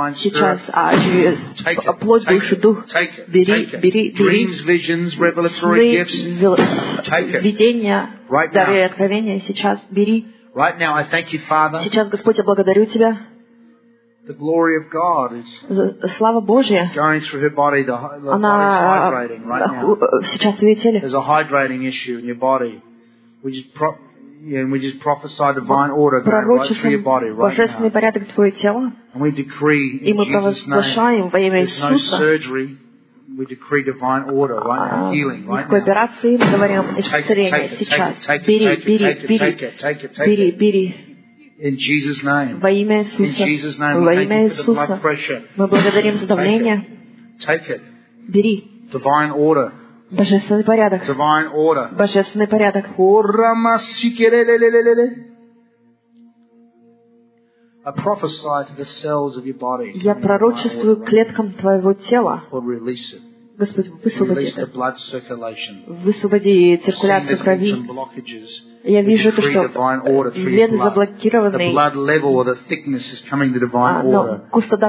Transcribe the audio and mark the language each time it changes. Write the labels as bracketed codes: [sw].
[ru] сейчас через плоть, душу, дух. Бери. [en] Dreams, visions, revelatory gifts. [ru] Видения, дары и откровения сейчас. Бери. [en] Right now, I thank you, Father. [ru] Сейчас, Господь, я благодарю тебя. [en] The glory of God is [ru] слава Божия. [en] Going through her body, the body is hydrating right now. There's a hydrating issue in your body. And we just prophesy divine order going right through your body right now. And we decree in Jesus' name, there's no surgery. We decree divine order right now, healing right now. Take it, take it, take it, take it, take it. In Jesus' name. [ru] Во имя Иисуса. [en] In Jesus' name, we thank you for the blood pressure. [ru] Мы благодарим за давление. [en] Take it. [ru] Бери. [en] Divine order. [ru] Божественный порядок. [en] Divine order. [ru] Божественный порядок. [en] I prophesy to the cells of your body. [ru] Я пророчествую клеткам твоего тела. [en] Lord, release it. [ru] Господь, высвободи это. [en] Release the blood circulation. [ru] Высвободи циркуляцию крови. Я вижу то, что вены заблокированы. [en] The blood level or the thickness is coming to divine order.